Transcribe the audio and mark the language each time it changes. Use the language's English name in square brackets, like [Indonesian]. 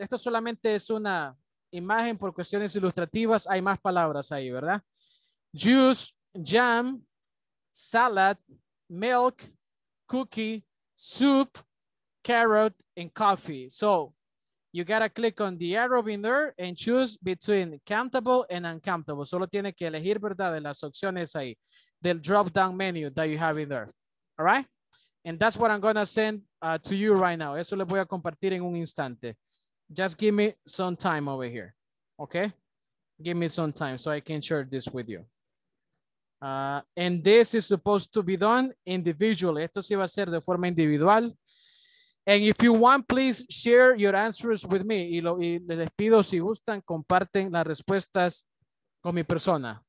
[Spanish] Esto solamente es una imagen por cuestiones ilustrativas. Hay más palabras ahí, ¿verdad? [English] Juice, jam, salad, milk, cookie, soup, carrot, and coffee. So you gotta click on the arrow in there and choose between countable and uncountable. [Spanish] Solo tiene que elegir, ¿verdad? De las opciones ahí, del [English] drop-down menu that you have in there. All right? And that's what I'm going to send to you right now. [Spanish] Eso le voy a compartir en un instante. [English] Just give me some time over here. Okay? Give me some time so I can share this with you. And this is supposed to be done individually. [Spanish] Esto sí va a ser de forma individual. [English] And if you want, please share your answers with me. [Spanish] Y les pido, si gustan, comparten las respuestas con mi persona.